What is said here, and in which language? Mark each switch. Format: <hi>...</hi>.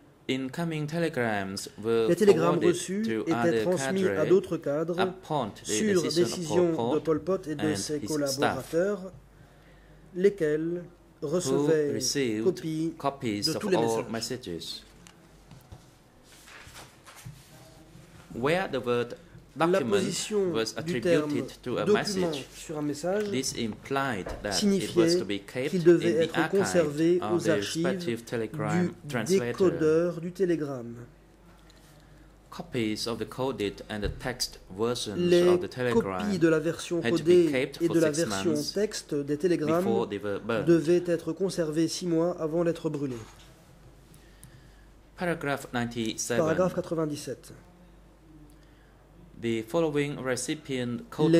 <en>Incoming telegrams were</en> <fr>les télégrammes reçus étaient transmis à d'autres cadres sur décision de Pol Pot et de ses collaborateurs, lesquels recevaient copies de tous les messages.</fr> <en>Where the word document was attributed to a message,</en> <fr>sur un message</fr> <en>this implied that</en> <fr>signifiait</fr> <en>it was to be kept</en> <fr>qu'il devait</fr> <en>in the</en> <fr>être conservé aux archives du décodeur du télégramme.</fr> <en>Copies of the coded and the text versions</en> <fr>les</fr> <en>of the telegram</en> <fr>copies de la version codée et de la version texte des télégrammes devaient être conservées 6 mois avant d'être brûlées.</fr> <en>Paragraph 97. Paragraph 97. The following recipient code</en>